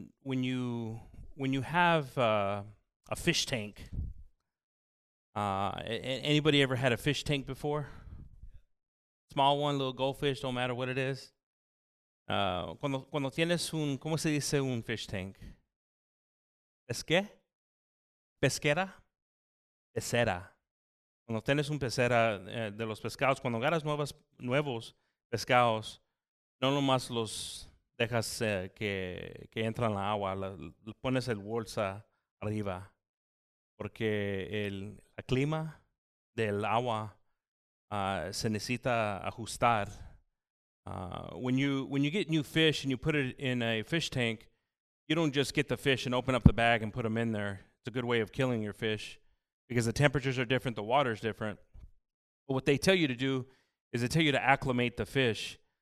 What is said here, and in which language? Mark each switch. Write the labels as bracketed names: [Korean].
[English] When you have a fish tank, anybody ever had a fish tank before? Small one, little goldfish, don't matter what it is. [Spanish] Cuando tienes un, ¿cómo se dice un fish tank? Pesquera, pecera. Cuando tienes un pecera de los pescados, cuando agarras nuevos pescados, no nomás los dejas que entran en la agua, pones el bolsa arriba, porque el clima del agua se necesita ajustar. [English] When you get new fish and you put it in a fish tank, you don't just get the fish and open up the bag and put them in there. It's a good way of killing your fish because the temperatures are different, the water's different. But what they tell you to do is they tell you to acclimate the fish.